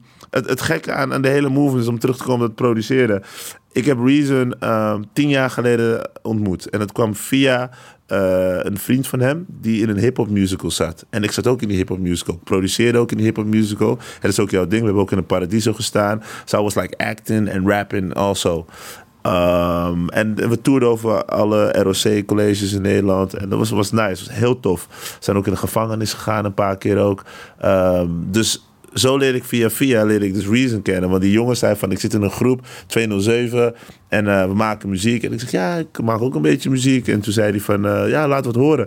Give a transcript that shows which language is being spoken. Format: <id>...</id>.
<nl>Het gekke aan de hele movement is om terug te komen met het produceren. Ik heb Reason 10 jaar geleden ontmoet. En dat kwam via een vriend van hem die in een hip-hop musical zat. En ik zat ook in die hip-hop musical. Ik produceerde ook in die hip-hop musical. Het is ook jouw ding. We hebben ook in een Paradiso gestaan.</nl> <en>So I was like acting and rapping also.</en> <nl>En we toerden over alle ROC-colleges in Nederland. En dat was nice. Was heel tof. We zijn ook in de gevangenis gegaan een paar keer ook. Dus zo leer ik via leer ik dus Reason kennen. Want die jongen zei van, ik zit in een groep, 207, en we maken muziek. En ik zeg, ja, ik maak ook een beetje muziek. En toen zei hij van, ja, laat wat horen.</nl>